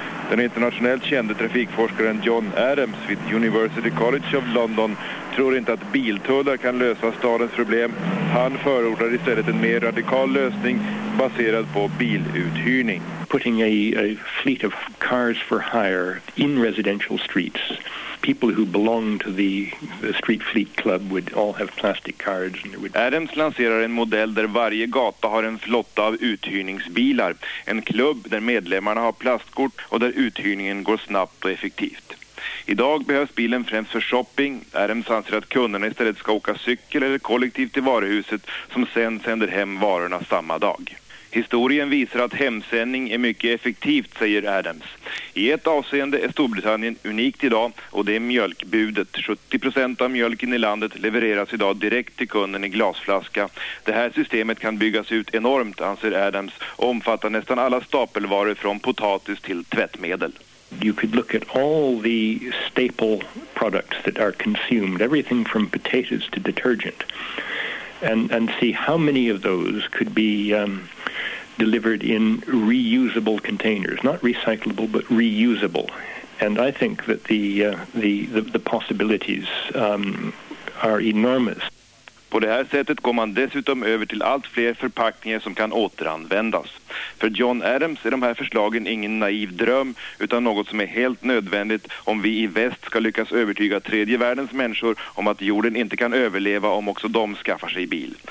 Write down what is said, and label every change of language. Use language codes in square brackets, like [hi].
[sv] Den internationellt kände trafikforskaren John Adams vid University College of London tror inte att biltullar kan lösa stadens problem. Han förordar istället en mer radikal lösning baserad på biluthyrning. [en] Putting a fleet of cars for hire in residential streets. People who belong to the street fleet club would all have plastic cards. And would... [sv] Adams lanserar en modell där varje gata har en flotta av uthyrningsbilar. En klubb där medlemmarna har plastkort och där uthyrningen går snabbt och effektivt. Idag behövs bilen främst för shopping. Adams anser att kunderna istället ska åka cykel eller kollektivt till varuhuset som sen sänder hem varorna samma dag. Historien visar att hemsändning är mycket effektivt, säger Adams. I ett avseende är Storbritannien unikt idag och det är mjölkbudet. 70% av mjölken i landet levereras idag direkt till kunden i glasflaska. Det här systemet kan byggas ut enormt, anser Adams, och omfattar nästan alla stapelvaror från potatis till tvättmedel. [en] You could look at all the staple products that are consumed, everything from potatoes to detergent. And see how many of those could be delivered in reusable containers, not recyclable but reusable. And I think that the possibilities are enormous. [sv] På det här sättet går man dessutom över till allt fler förpackningar som kan återanvändas. För John Adams är de här förslagen ingen naiv dröm utan något som är helt nödvändigt om vi i väst ska lyckas övertyga tredje världens människor om att jorden inte kan överleva om också de skaffar sig bil.